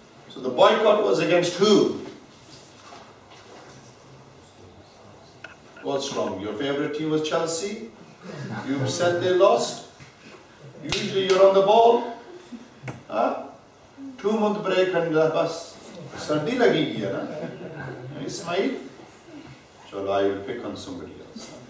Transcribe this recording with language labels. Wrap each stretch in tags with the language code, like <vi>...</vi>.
<en>So the boycott was against who? What's wrong? Your favorite team was Chelsea? You said they lost? Usually you're on the ball? Huh? 2 month break and the bus.</en> <ur>سردی لگی ہے نا، اسماعیل۔</ur> <en>Chalo, I will pick on somebody else.</en>